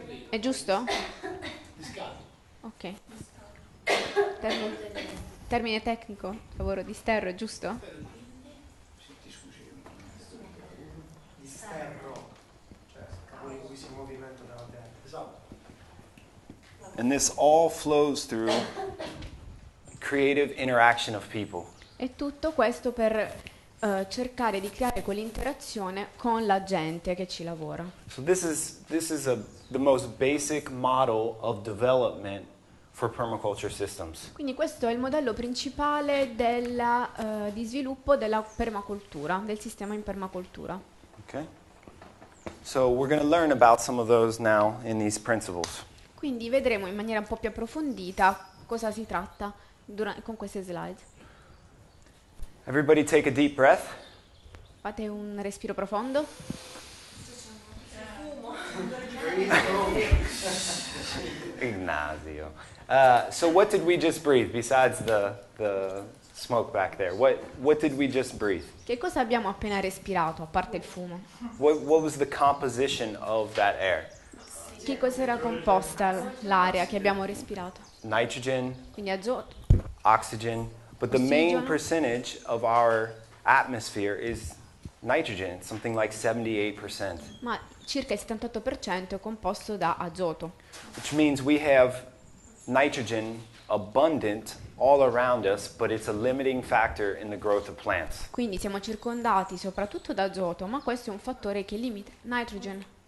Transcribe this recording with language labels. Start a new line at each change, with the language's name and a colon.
Italian: È giusto? Ok. Termine tecnico, lavoro di sterro, è giusto? Di sterro, cioè in cui si movimento della terra. Esatto.
English: And this all flows through creative interaction of people.
Italian: E tutto questo per cercare di creare quell'interazione con la gente che ci lavora.
English: So this is the most basic model of development for permaculture systems.
Italian: Quindi questo è il modello principale della di sviluppo della permacultura, del sistema in permacultura. Okay.
English: So we're going to learn about some of those now in these principles.
Italian: Quindi vedremo in maniera un po' più approfondita cosa si tratta con queste slide.
English: Everybody take a deep breath.
Italian: Fate un respiro profondo. Ignazio.
English: So what did we just breathe besides the smoke back there? What did we just breathe?
Italian: Che cosa abbiamo appena respirato a parte il fumo?
English: What was the composition of that air?
Italian: Che cosa era composta l'aria che abbiamo respirato?
English: Nitrogen.
Italian: Quindi azoto.
English: Oxygen, but the main percentage of our atmosphere is nitrogen, something like 78%.
Italian: Ma circa il 78% è composto da azoto.
English: Which means we have nitrogen abundant all around us, but it's a limiting factor in the growth of plants.
Italian: Quindi siamo circondati soprattutto da azoto, ma questo è un fattore che limita nitrogen.